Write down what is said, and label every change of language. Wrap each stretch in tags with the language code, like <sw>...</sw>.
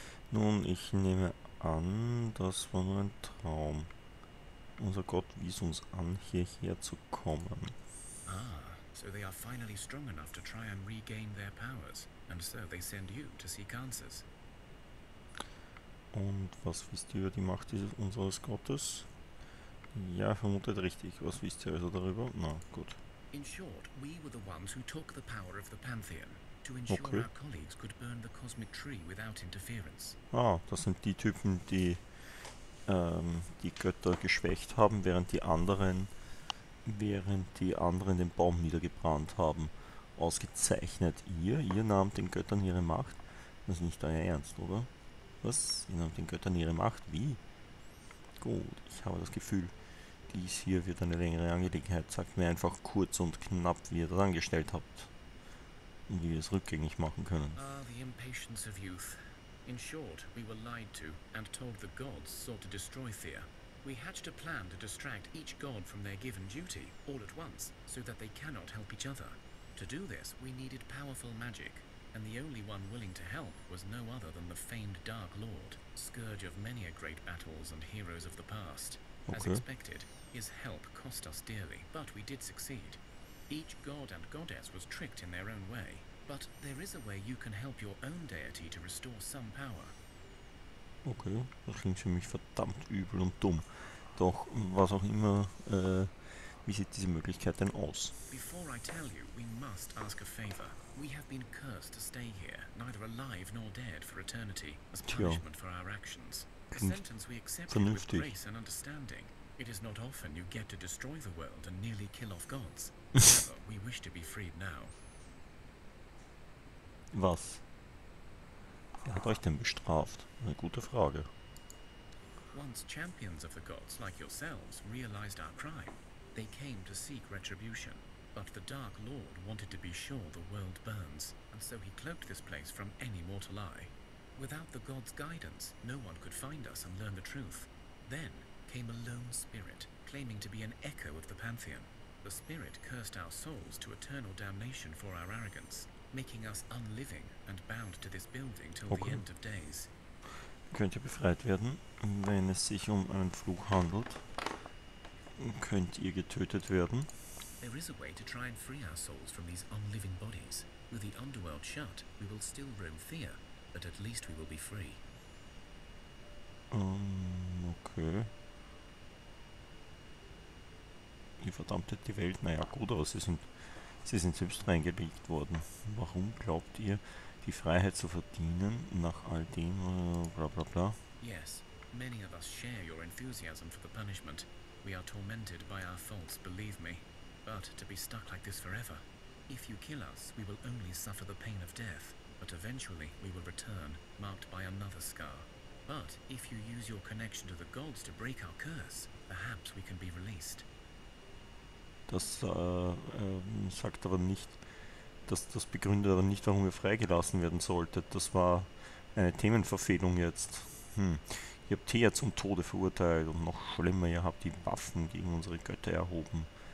<de>Nun, ich nehme an, das war nur ein Traum. Unser Gott wies uns an, hierher zu kommen.</de> <en>Ah, so they are finally strong enough to try and regain their powers, and so they send you to seek answers.</en> <de>Und was wisst ihr über die Macht unseres Gottes? Ja, vermutet richtig. Was wisst ihr also darüber? Na, gut.</de> <en>In short, we were the ones who took the power of the Pantheon to ensure okay. our colleagues could burn the cosmic tree without interference.</en> <de>Ah, das sind die Typen, die die Götter geschwächt haben, während die anderen den Baum niedergebrannt haben. Ausgezeichnet. Ihr nahmt den Göttern ihre Macht. Das ist nicht euer Ernst, oder? Was? Ihr nahmt den Göttern ihre Macht? Wie? Gut, ich habe das Gefühl, dies hier wird eine längere Angelegenheit. Sagt mir einfach kurz und knapp, wie ihr das angestellt habt. Und wie wir es rückgängig machen können.</de> <en>Ah, the impatience of youth. In short, we were lied to and told the gods sought to destroy Thea. We hatched a plan to distract each god from their given duty, all at once, so that they cannot help each other. To do this, we needed powerful magic, and the only one willing to help was no other than the famed Dark Lord, scourge of many a great battles and heroes of the past. Okay. As expected, his help cost us dearly, but we did succeed. Each god and goddess was tricked in their own way, but there is a way you can help your own deity to restore some power.</en> <de>Okay, das klingt für mich verdammt übel und dumm. Doch, was auch immer, wie sieht diese Möglichkeit denn aus?</de> <en>Before I tell you, we must ask a favor. We have been cursed to stay here, neither alive nor dead for eternity, as punishment Tja. For our actions. A sentence we accepted</en> <de>vernünftig.</de> <en>With grace and understanding. It is not often you get to destroy the world and nearly kill off gods. However, we wish to be freed now.</en> <de>Was? Wer hat euch denn bestraft? Eine gute Frage.</de> <en>Once champions of the gods, like yourselves, realized our crime, they came to seek retribution. But the Dark Lord wanted to be sure the world burns, and so he cloaked this place from any mortal eye. Without the god's guidance, no one could find us and learn the truth. Then came a lone spirit, claiming to be an echo of the Pantheon. The spirit cursed our souls to eternal damnation for our arrogance, making us unliving and bound to this building till okay. the end of days.</en> <de>Könnt ihr befreit werden, wenn es sich um einen Fluch handelt? Könnt ihr getötet werden?</de> <en>There is a way to try and free our souls from these unliving bodies. With the underworld shut, we will still roam fear, but at least we will be free. Okay.</en> <de>Die verdammte die Welt, naja gut, aber sie sind selbst reingelegt worden. Warum glaubt ihr, die Freiheit zu verdienen nach all dem, bla bla bla?</de> <en>Yes, many of us share your enthusiasm for the punishment. We are tormented by our faults, believe me. But to be stuck like this forever. If you kill us, we will only suffer the pain of death. But eventually, we will return, marked by another scar. But if you use your connection to the gods to break our curse, perhaps we can be released.</en> <de>Das sagt aber nicht, das begründet aber nicht, warum ihr freigelassen werden solltet. Das war eine Themenverfehlung jetzt. Ihr habt Thea zum Tode verurteilt und noch schlimmer, ihr habt die Waffen gegen unsere Götter erhoben.</de>